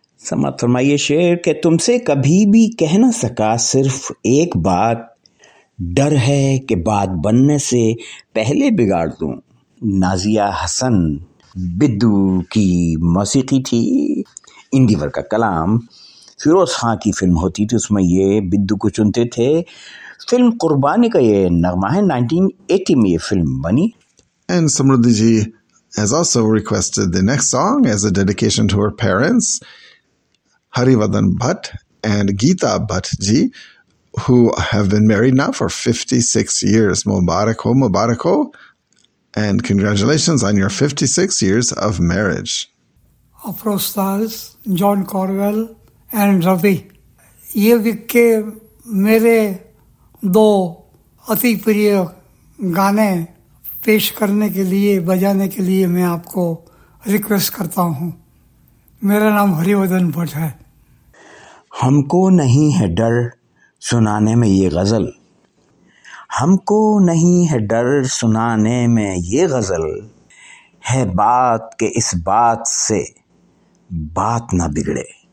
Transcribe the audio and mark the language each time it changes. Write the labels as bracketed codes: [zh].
[hi] समझ फरमाइए शेर के, तुमसे कभी भी कह न सका सिर्फ एक बात, डर है कि बात बनने से पहले बिगाड़ दूं। नाजिया हसन बिद्दू की मौसीकी थी, इंदिवर का कलाम, फिरोज खां की फिल्म होती थी उसमें ये बिद्दू को चुनते थे। फिल्म कुर्बानी का ये नगमा है, 1980 में ये फिल्म बनी। [en] And Samriddhi ji has also requested the next song as a dedication to her parents, Harivardhan Bhatt and Geeta Bhatt ji, who have been married now for 56 years. [hi] Mubarak ho, mubarak ho, [en] and congratulations on your 56 years of marriage. [hi] Afro stars John Corwell and Ravi, ye vikke mere do ati priya gaane पेश करने के लिए, बजाने के लिए मैं आपको request करता हूँ। मेरा नाम हरिवर्धन भट्ट है। हमको नहीं है डर सुनाने में ये गजल, हमको नहीं है डर सुनाने में ये गजल, है बात के इस बात से बात ना बिगड़े।